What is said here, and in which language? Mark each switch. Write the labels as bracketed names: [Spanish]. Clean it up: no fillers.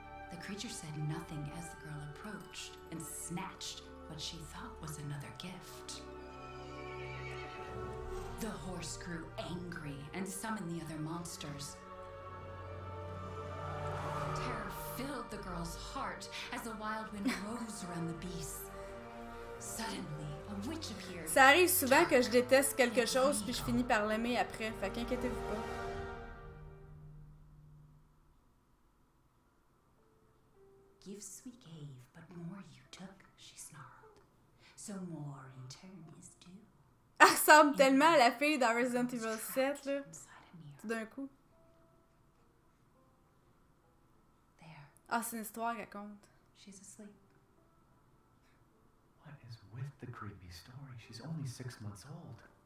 [English] The creature said nothing as the girl approached and snatched what she thought was another gift. The horse grew angry and summoned the other monsters. Terror filled the girl's heart as a wild wind rose around the beast. Suddenly, a witch appeared. [French] Ça arrive souvent que je déteste quelque chose puis je finis par l'aimer après, fait qu'inquiétez-vous pas. [English] Gifts we gave, but more you took, she snarled. So more in turn is due. [French] Elle ressemble tellement à la fille dans Resident Evil 7, là. Tout d'un coup. [English] There. [French] Ah, c'est une histoire qu'elle compte. [English] She's asleep. What is with the creepy story? She's only 6 months old.